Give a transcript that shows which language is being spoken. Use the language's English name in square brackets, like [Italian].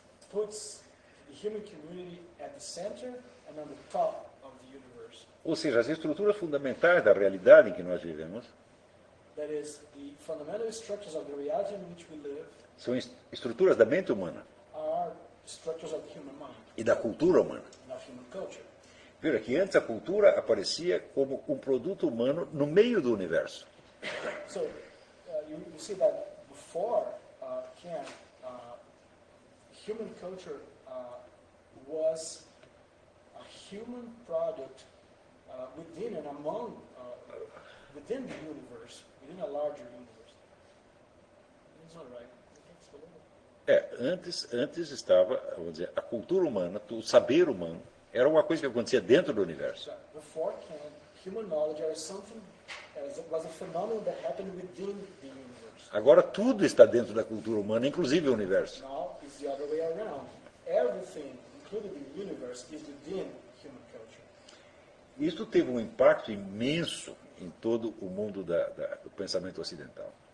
[English] puts the human community at the center and on the top of the universe. [Portuguese] Ou seja, as estruturas fundamentais da realidade em que nós vivemos. [English] That is, the fundamental structures of the reality in which we live. [Portuguese] São estruturas da mente humana. [English] Are structures of the human mind. [Portuguese] E da cultura humana. [English] And of human culture. [Portuguese] Veja que antes a cultura aparecia como um produto humano no meio do universo. [English] So, you see that before Kant, human culture was a human product within and among within the universe, within a larger universe. It's not right. [Portuguese] É, antes estava, vamos dizer, a cultura humana, o saber humano, era uma coisa que acontecia dentro do universo. [English] Before Kant, human knowledge [Portuguese] era [English] something, was a phenomenon that happened within the universe. [Portuguese] Agora tudo está dentro da cultura humana, inclusive o universo. [English] Now it's the other way around. Everything, including the universe, is within human culture. [Portuguese] Isso teve um impacto imenso em todo o mundo do pensamento ocidental.